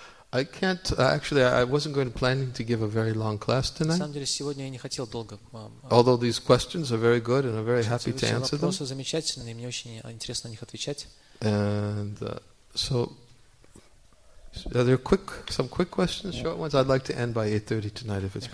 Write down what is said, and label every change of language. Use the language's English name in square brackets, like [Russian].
[English] I can't actually. I wasn't going to planning to give a very long class tonight. [Russian] На самом деле сегодня я не хотел долго. [English] Although these questions are very good and I'm very happy to answer them. [Russian] Вопросы замечательные, мне очень интересно на них отвечать. [English] And so, are there some quick questions, short ones? I'd like to end by 8:30 tonight, if it's possible.